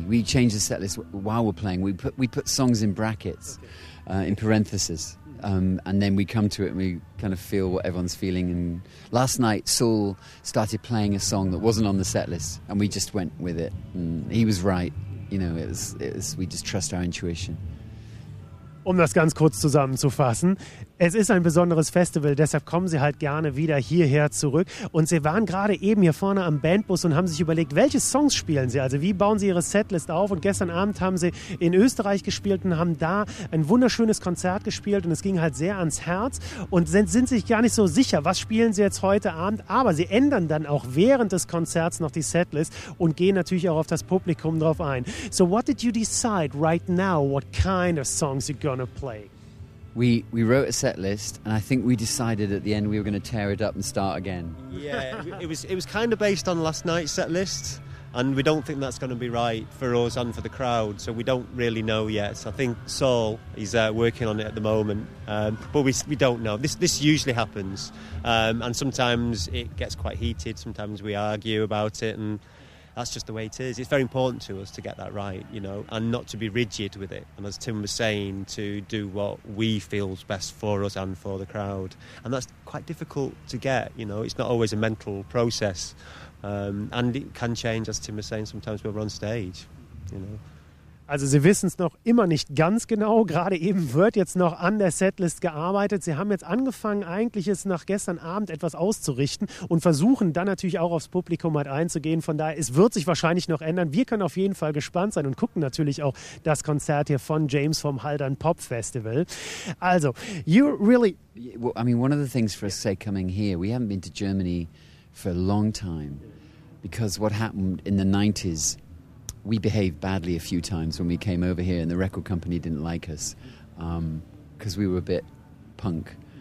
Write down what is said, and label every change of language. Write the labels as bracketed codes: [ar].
[en] We change the set list while we're playing. We put songs in brackets, okay. In parentheses, and then we come to it and we kind of feel what everyone's feeling. And last night, Saul started playing a song that wasn't on the set list, and we just went with it. And he was right. You know, it was, we just trust our intuition. [de] Um das ganz kurz zusammenzufassen, es ist ein besonderes Festival, deshalb kommen sie halt gerne wieder hierher zurück. Und sie waren gerade eben hier vorne am Bandbus und haben sich überlegt, welche Songs spielen sie, also wie bauen sie ihre Setlist auf. Und gestern Abend haben sie in Österreich gespielt und haben da ein wunderschönes Konzert gespielt und es ging halt sehr ans Herz. Und sind sich gar nicht so sicher, was spielen sie jetzt heute Abend, aber sie ändern dann auch während des Konzerts noch die Setlist und gehen natürlich auch auf das Publikum drauf ein. [en] So what did you decide right now, what kind of songs you're going to play? We wrote a set list, and I think we decided at the end we were going to tear it up and start again. Yeah, it was kind of based on last night's set list, and we don't think that's going to be right for us and for the crowd, so we don't really know yet. So I think Saul is working on it at the moment, but we don't know. This usually happens, and sometimes it gets quite heated, sometimes we argue about it, and that's just the way it is. It's very important to us to get that right, you know, and not to be rigid with it. And as Tim was saying, to do what we feel is best for us and for the crowd. And that's quite difficult to get, you know. It's not always a mental process. And it can change, as Tim was saying, sometimes when we're on stage, you know. [de] Also sie wissen es noch immer nicht ganz genau. Gerade eben wird jetzt noch an der Setlist gearbeitet. Sie haben jetzt angefangen, eigentlich es nach gestern Abend etwas auszurichten und versuchen dann natürlich auch aufs Publikum halt einzugehen. Von daher, es wird sich wahrscheinlich noch ändern. Wir können auf jeden Fall gespannt sein und gucken natürlich auch das Konzert hier von James vom Haldern Pop Festival. [en] Also, you really... Well, I mean, one of the things for us, say, coming here, we haven't been to Germany for a long time, because what happened in the 90s, we behaved badly a few times when we came over here, and the record company didn't like us because we were a bit punk.